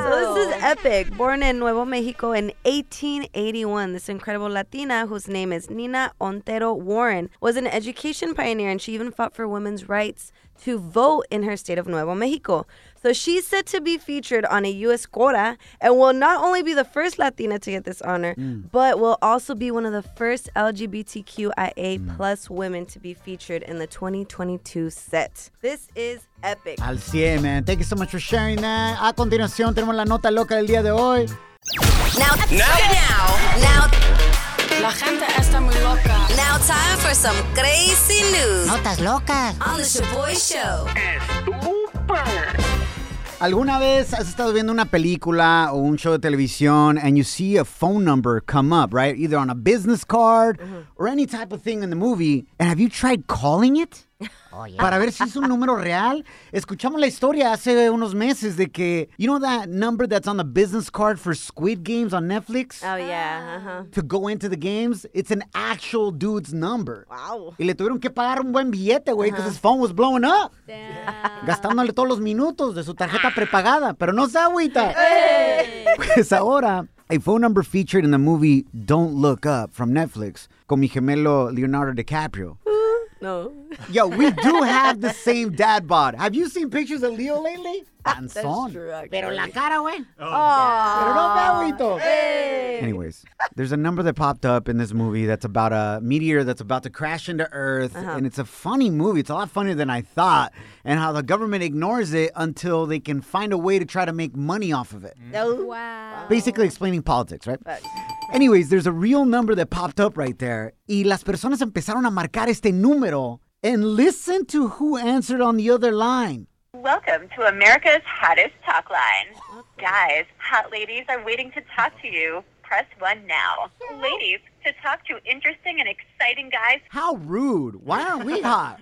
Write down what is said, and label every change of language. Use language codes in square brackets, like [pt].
[en] So this is epic. Born in Nuevo Mexico in 1881, this incredible Latina, whose name is Nina Ontero Warren, was an education pioneer, and she even fought for women's rights to vote in her state of Nuevo Mexico. So she's set to be featured on a U.S. Cora and will not only be the first Latina to get this honor, but will also be one of the first LGBTQIA plus women to be featured in the 2022 set. This is epic. [es] Al 100, [en] man. Thank you so much for sharing that. [es] A continuación, tenemos la nota loca del día de hoy. [en] Now. [es] La gente está muy loca. [en] Now time for some crazy news. [es] Notas locas. [en] On the Shaboy Show. Estúper. [es] ¿Alguna vez has estado viendo una película o un show de televisión [en] and you see a phone number come up, right? Either on a business card or any type of thing in the movie. And have you tried calling it? Oh, yeah. [es] Para ver si es un número real. Escuchamos la historia hace unos meses de que, [en] you know that number that's on the business card for Squid Games on Netflix? Oh, yeah. Uh-huh. To go into the games, it's an actual dude's number. Wow. [es] Y le tuvieron que pagar un buen billete, güey, [en] because his phone was blowing up. Damn. [es] Gastándole todos los minutos de su tarjeta prepagada. Pero no se agüita. [en] Hey. [es] Pues ahora, [en] a phone number featured in the movie Don't Look Up from Netflix [es] con mi gemelo Leonardo DiCaprio. [en] No. Yo, we do have the same dad bod. Have you seen pictures of Leo lately? That's true, actually. [es] Pero la cara, güey. [en] Oh. [es] Pero no, Pablito. [en] Hey. Anyways, there's a number that popped up in this movie that's about a meteor that's about to crash into Earth. Uh-huh. And it's a funny movie. It's a lot funnier than I thought. And how the government ignores it until they can find a way to try to make money off of it. Mm-hmm. Oh, wow. Basically explaining politics, right? But. Anyways, there's a real number that popped up right there. [es] Y las personas empezaron a marcar este número. [en] And listen to who answered on the other line. Welcome to America's Hottest Talk Line. Guys, hot ladies are waiting to talk to you. Press 1 now. Ladies, to talk to interesting and exciting guys. How rude. Why aren't we hot?